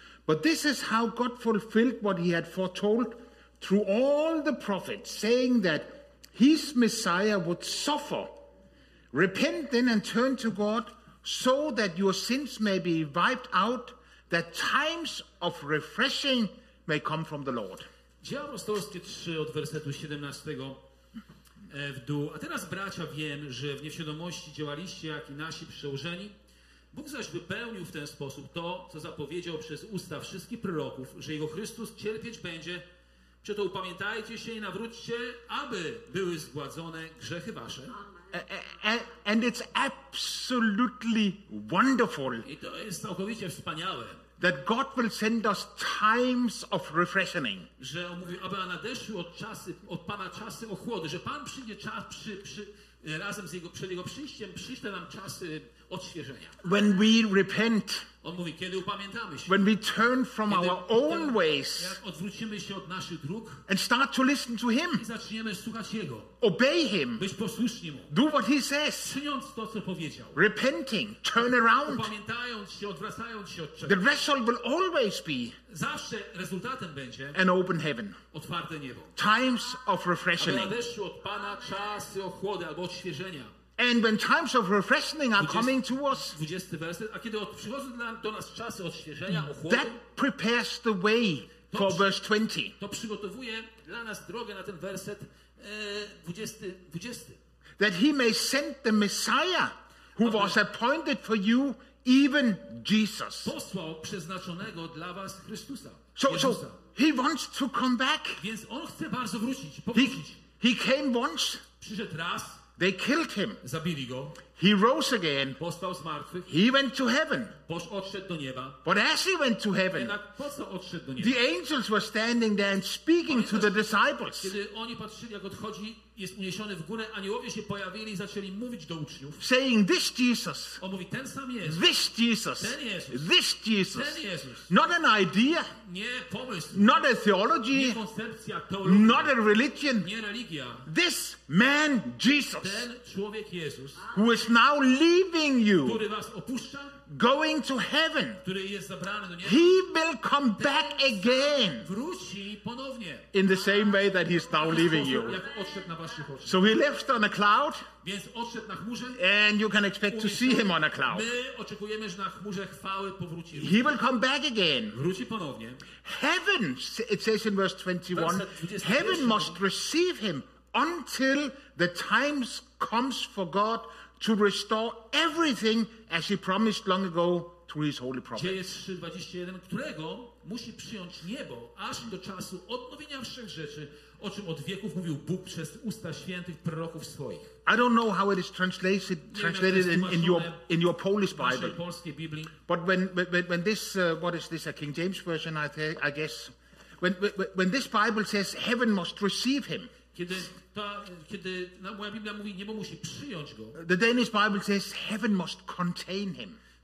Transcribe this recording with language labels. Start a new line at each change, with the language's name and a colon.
English: But this is how God fulfilled what he had foretold through all the prophets, saying that his Messiah would suffer. Repent then and turn to God so that your sins may be wiped out, that times of refreshing may come from the Lord.
Polish: Dzieje apostolskie 3 od wersetu 17 w dół. A teraz, bracia, wiem, że w nieświadomości działaliście, jak i nasi przełożeni. Bóg zaś wypełnił w ten sposób to, co zapowiedział przez usta wszystkich proroków, że jego Chrystus cierpieć będzie. Przeto upamiętajcie się i nawróćcie, aby były zgładzone grzechy wasze.
English: And it's absolutely wonderful.
Polish: I to jest całkowicie wspaniałe.
English: That God will send us times of refreshing.
Polish: Że on mówi, aby nadeszły od Pana czasy ochłody, że Pan przyjdzie czas przy razem z jego przed jego przyjściem przyjdzie nam czasy odświeżenia.
English: When we repent,
Polish: on mówi, kiedy upamiętamy się,
English: when we turn from our own ways,
Polish: jak odwrócimy się od naszych dróg,
English: and start to listen to him,
Polish: i zaczniemy słuchać jego,
English: obey him,
Polish: być posłuszni mu,
English: do what he says,
Polish: czyniąc to, co powiedział,
English: repenting, turn around,
Polish: upamiętając się, odwracając się od czego,
English: the result will always be,
Polish: zawsze rezultatem będzie,
English: an open heaven,
Polish: otwarte niebo,
English: times of refreshing,
Polish: aby nadeszły od Pana czasy ochłody albo odświeżenia.
English: And when times of refreshing are coming to us,
Polish: 20 werset, a kiedy przychodzą do nas czasy odświeżenia, ochłody,
English: that prepares the way for verse 20.
Polish: To przygotowuje dla nas drogę na ten werset 20.
English: That he may send the Messiah who was appointed for you, even Jesus.
Polish: Posłał przeznaczonego dla was Chrystusa.
English: So he wants to come back.
Polish: Więc on chce bardzo wrócić, powrócić.
English: He came once.
Polish: Przyszedł raz.
English: They killed him.
Polish: Zabili go.
English: He rose again.
Polish: Powstał z martwych.
English: He went to heaven.
Polish: Odszedł do nieba.
English: But as he went to heaven,
Polish: odszedł do nieba,
English: the angels were standing there and speaking to the disciples.
Polish: Kiedy oni patrzyli, jak odchodzi, jest uniesiony w górę, aniołowie się pojawili i zaczęli mówić do uczniów.
English: Saying this Jesus.
Polish: On mówi, ten sam Jezus.
English: This Jesus.
Polish: Ten Jezus.
English: This Jesus.
Polish: Ten Jezus.
English: Not an idea.
Polish: Nie pomysł.
English: Not a theology.
Polish: Nie koncepcja teologii.
English: Not a religion.
Polish: Nie religia.
English: This man Jesus.
Polish: Ten człowiek Jezus.
English: Who is now leaving you.
Polish: Który was opuszcza.
English: Going to heaven.
Polish: Który jest zabrany do nieba.
English: He will come back again.
Polish: Wróci ponownie.
English: In the same way that he's now leaving you. So he left on a cloud.
Polish: Więc odszedł na chmurze.
English: And you can expect to see him on a cloud.
Polish: My oczekujemy, że na chmurze chwały powróci.
English: He will come back again.
Polish: Wróci ponownie.
English: Heaven, it says in verse 21, heaven must receive him until the time comes for God to restore everything as he promised long ago to his holy prophets.
Polish: Dzieje 3:21, którego musi przyjąć niebo aż do czasu odnowienia wszech rzeczy, o czym od wieków mówił Bóg przez usta świętych proroków swoich.
English: I don't know how it is translated in your Polish Bible.
Polish: Polskiej Biblii.
English: But when this what is this, a King James version, I guess when this Bible says heaven must receive him.
Polish: Kiedy moja Biblia mówi, niebo musi przyjąć go.
English: The Danish Bible says heaven must contain him.